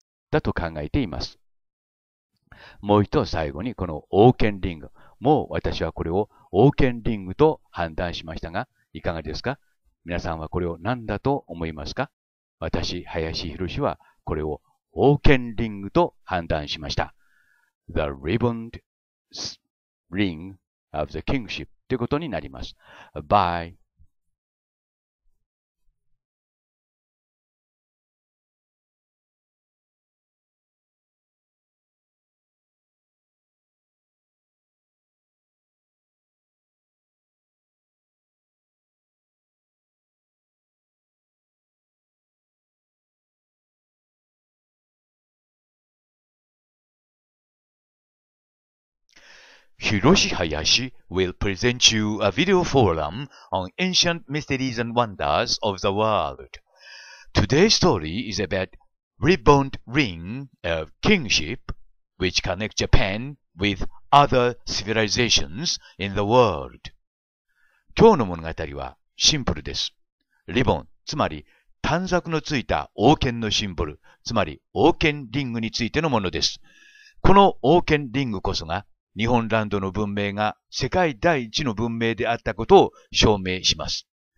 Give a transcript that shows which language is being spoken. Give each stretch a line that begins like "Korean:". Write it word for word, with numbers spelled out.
Japanese: だと考えています。もう一度最後にこの王権リング。もう私はこれを王権リングと判断しましたが、いかがですか？皆さんはこれを何だと思いますか？私、林博士はこれを王権リングと判断しました。
English: The ribboned ring of the kingship
Japanese: ということになります。
English: By Hiroshi Hayashi will present you a video forum on ancient mysteries and wonders of the world. Today's story is about ribbon ring of kingship, which connects Japan with other civilizations in the world.
Japanese: 今日の物語はシンプルです。リボン、つまり短冊のついた王権のシンボル、つまり王権リングについてのものです。この王権リングこそが日本ランドの文明が世界第一の文明であったことを証明します。